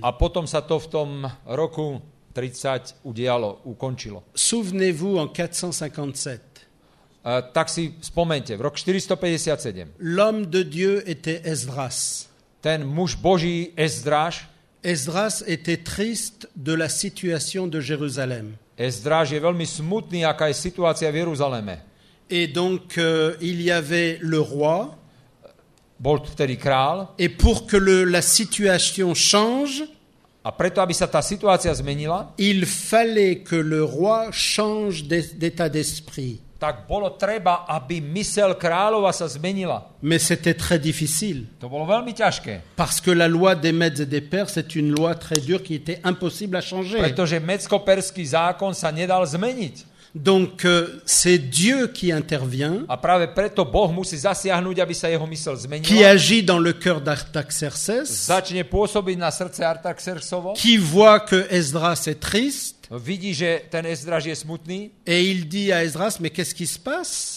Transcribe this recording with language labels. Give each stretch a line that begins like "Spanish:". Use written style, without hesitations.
Slovak: A potom sa to v tom roku 30 udialo, ukončilo.
French: Souvenez-vous en 457.
Slovak: Tak si spomente, v roku 457.
French: L'homme de Dieu était Esdras.
Slovak: Ten muž Boží Esdras.
French: Esdras était triste de la situation de Jérusalem.
Slovak: Esdras je veľmi smutný, aká je situácia v Jeruzaleme.
French: Et donc il y avait le roi.
Slovak: bol vtedy král.
French: Et pour que la situation change,
Slovak: a preto, aby sa tá situácia zmenila,
French: il fallait que le roi change d'état d'esprit.
Slovak: Tak bolo treba, aby mysel kráľova sa zmenila.
French: Mais c'était très difficile.
Slovak: To bolo veľmi ťažké.
French: Parce que la loi des Mèdes et des Perses, c'est une loi très dure qui était impossible à changer.
Slovak: Pretože médsko-perský zákon sa nedal zmeniť.
French: Donc c'est Dieu qui intervient.
Slovak: A práve preto Boh musí zasiahnuť, aby sa jeho mysel zmenila.
French: Qui agit dans le cœur d'Artaxerxès.
Slovak: Začne pôsobiť na srdce Artaxerxovo.
French: Qui voit que Esdras est triste.
Slovak: Vidí, že ten Esdras je smutný.
French: Et il dit à Esdras, mais qu'est-ce qui se passe?